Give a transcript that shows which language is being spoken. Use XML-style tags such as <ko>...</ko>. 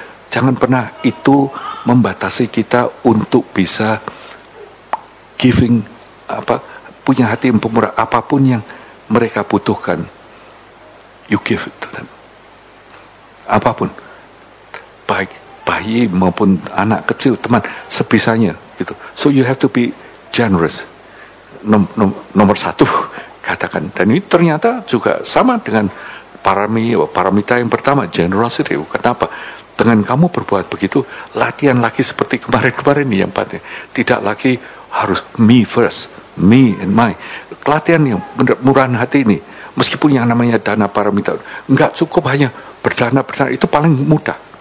<id>Jangan pernah itu membatasi kita untuk bisa giving, apa, punya hati yang pemurah. Apapun yang mereka butuhkan,</id> <en>you give it to them.</en> <id>Apapun, baik bayi maupun anak kecil, teman, sebisanya gitu.</id> <en>So you have to be generous.</en> <id>Nomor satu katakan. Dan ini ternyata juga sama dengan paramita yang pertama, generosity. Kenapa? Dengan kamu berbuat begitu, latihan lagi seperti kemarin-kemarin nih yang empatnya. Tidak lagi harus</id> <en>me first, me and my.</en> <id>Latihan yang murahan hati ini, meskipun yang namanya dana paramita, enggak cukup hanya berdana, itu paling mudah.</id>